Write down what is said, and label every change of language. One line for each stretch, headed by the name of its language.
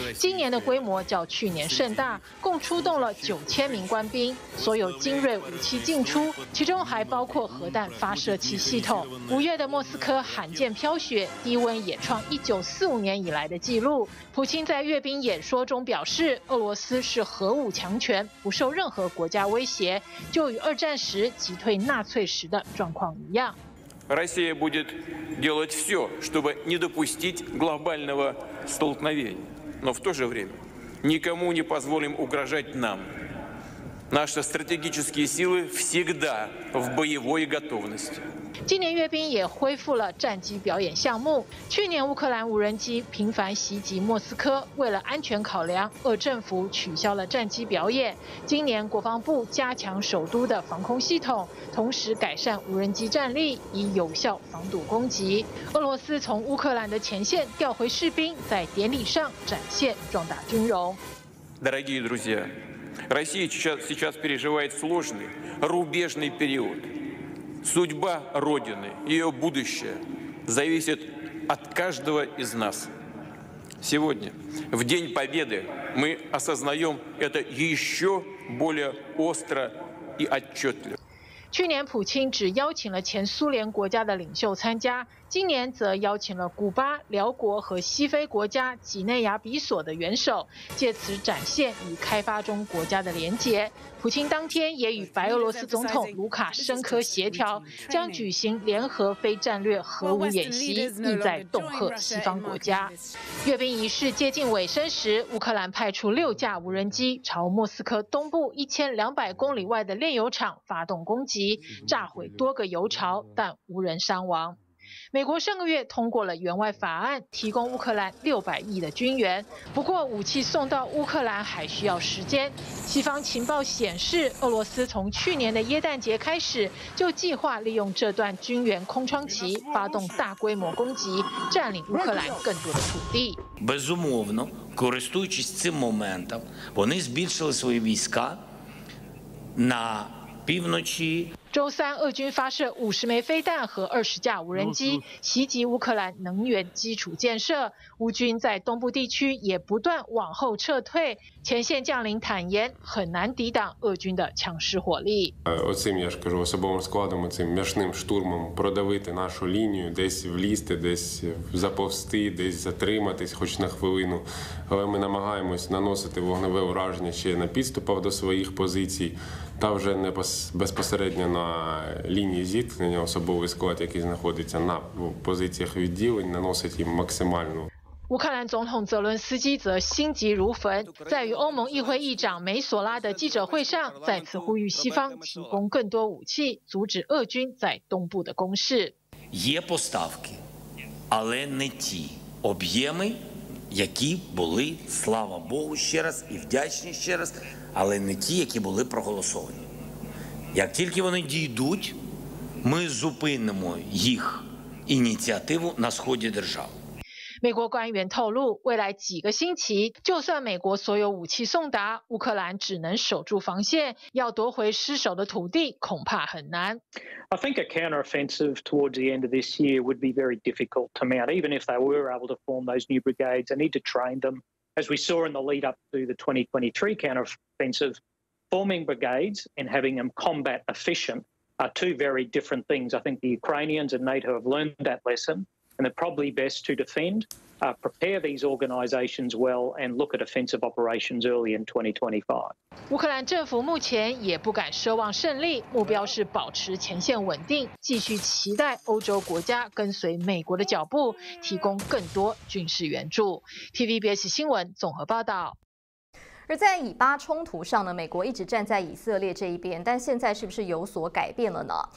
Chinese: 今年的规模较去年盛大，共出动了9000名官兵，所有精锐武器进出，其中还包括核弹发射器系统。五月的莫斯科罕见飘雪，低温也创1945年以来的纪录。普京在阅兵演说中表示，俄罗斯是核武强权，不受任何国家威胁，就与二战时击退纳粹时的状况一样。
Russian: Россия будет делать все, чтобы не допустить глобального столкновения, но в то же время никому не позволим угрожать нам. Наши стратегические силы всегда в боевой готовности.
Chinese: 今年阅兵也恢复了战机表演项目。去年乌克兰无人机频繁袭击莫斯科，为了安全考量，俄政府取消了战机表演。今年国防部加强首都的防空系统，同时改善无人机战力，以有效防堵攻击。俄罗斯从乌克兰的前线调回士兵，在典礼上展现壮大军容。
Russian: Дорогие друзья, Россия сейчас переживает сложный рубежный период. Судьба Родины, ее будущее зависит от каждого из нас. Сегодня, в День Победы, мы осознаем это еще более остро и отчетливо.
Chinese: 去年普京只邀请了前苏联国家的领袖参加，今年则邀请了古巴、辽国和西非国家几内亚比索的元首，借此展现与开发中国家的连结。普京当天也与白俄罗斯总统卢卡申科协调，将举行联合非战略核武演习，意在恫吓西方国家。阅兵仪式接近尾声时，乌克兰派出6架无人机朝莫斯科东部1200公里外的炼油厂发动攻击，炸毁多个油槽，但无人伤亡。美国上个月通过了援外法案，提供乌克兰600亿的军援。不过，武器送到乌克兰还需要时间。西方情报显示，俄罗斯从去年的耶诞节开始就计划利用这段军援空窗期发动大规模攻击，占领乌克兰更多的土地。
Ukrainian: Безумовно, користуючись цим моментом, вони збільшили свої війська на
Chinese: 周三，俄军发射50枚飞弹和20架无人机，袭击乌克兰能源基础建设。乌军在东部地区也不断往后撤退。前线将领坦言，很难抵挡俄军的强势火力。
Ukrainian: Оцим я ж кажу особовим складом, оцим м'ясним штурмом продавити нашу лінію, десь влізти, десь заповзти, десь затриматись хоч на хвилину. Але ми намагаємось наносити вогневе ураження ще на підступах до своїх позицій. Та вже не безпосередньо на лінії зіткнення особовий склад, який знаходиться на позиціях відділень, наносить їм максимальну.
Chinese: 乌克兰总统泽伦斯基则心急如焚，在与欧盟议会议长梅索拉的记者会上，再次呼吁西方提供更多武器，阻止俄军在东部的攻势。 Є поставки, але не ті об'єми, які були, слава Богу, ще раз і вдячні ще раз, але не ті, які були проголосовані. Як тільки вони дійдуть, Ми зупинимо їх ініціативу на сході держави. 美国官员透露，未来几个星期，就算美国所有武器送达，乌克兰只能守住防线，要夺回失守的土地恐怕很难。
English: I think a counteroffensive towards the end of this year would be very difficult to mount. Even if they were able to form those new brigades, they need to train them. As we saw in the lead up to the 2023 counteroffensive, forming brigades and having them combat efficient are two very different things. I think the Ukrainians and NATO have learned that lesson. And they're probably best to defend, prepare these organizations well, and look at offensive operations early in 2025.
Chinese: 乌克兰政府目前也不敢奢望胜利，目标是保持前线稳定，继续期待欧洲国家跟随美国的脚步，提供更多军事援助。 TVBS 新闻综合报道。而在以巴冲突上呢，美国一直站在以色列这一边，但现在是不是有所改变了呢？